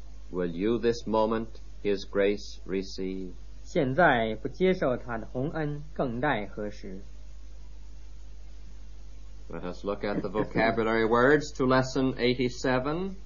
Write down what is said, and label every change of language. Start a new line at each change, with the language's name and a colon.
English: Will you this moment his grace receive?
Chinese: 现在不接受他的洪恩，更待何时？
English: Let us look at the vocabulary words to lesson 87.